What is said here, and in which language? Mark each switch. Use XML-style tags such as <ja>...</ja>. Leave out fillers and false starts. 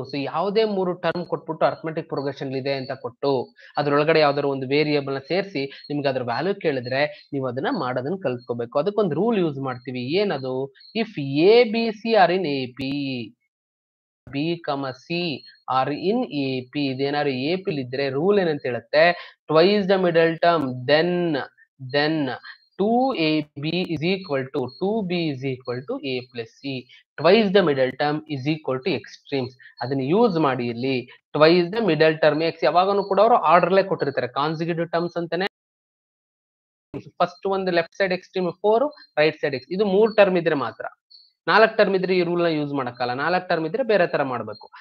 <kn>So ಯಾವುದೇ 3 term ಕೊಟ್ಬಿಟ್ಟು arithmetic progression ಇದೆ ಅಂತ ಕೊಟ್ಟು ಅದ್ರೊಳಗಡೆ ಯಾವ್ದಾರು ಒಂದು ವೇರಿಯೇಬಲ್ ನ ಸೇರಿಸಿ ನಿಮ್ಗೆ ಅದ್ರ ವ್ಯಾಲ್ಯೂ ಕೇಳಿದ್ರೆ ನೀವು ಅದನ್ನ ಮಾಡೋದನ್ನ ಕಲ್ತ್ಕೋಬೇಕು. ಅದಕ್ಕೊಂದು ರೂಲ್ ಯೂಸ್ ಮಾಡ್ತೀವಿ. ಏನದು?</kn> <en>if ABC are in AP,</en> <kn>BC R in AP, ಇದೇನಾದ್ರು APಲಿದ್ರೆ rule ಏನಂತ ಹೇಳುತ್ತೆ?</kn> <en>Twice the middle term then 2AB is equal to 2B is equal to A plus C. Twice the middle term is equal to extremes.</en> <kn>ಅದನ್ನ use ಮಾಡಿ ಇಲ್ಲಿ twice the middle term X ಯಾವಾಗೂ ಕೂಡ ಅವರು order ಲೈ ಕೊಟ್ಟಿರ್ತಾರೆ consecutive terms ಅಂತಾನೆ. First ಒಂದು left side extreme four, right side X. ಇದು ಮೂರ್ ಟರ್ಮ್ ಇದ್ರೆ ಮಾತ್ರ, ನಾಲ್ಕು ಟರ್ಮ್ ಇದ್ರೆ ಈ ರೂಲ್ ನ ಯೂಸ್ ಮಾಡಕ್ಕಲ್ಲ, ನಾಲ್ಕು ಟರ್ಮ್ ಇದ್ರೆ ಬೇರೆ ತರ ಮಾಡ್ಬೇಕು.</kn>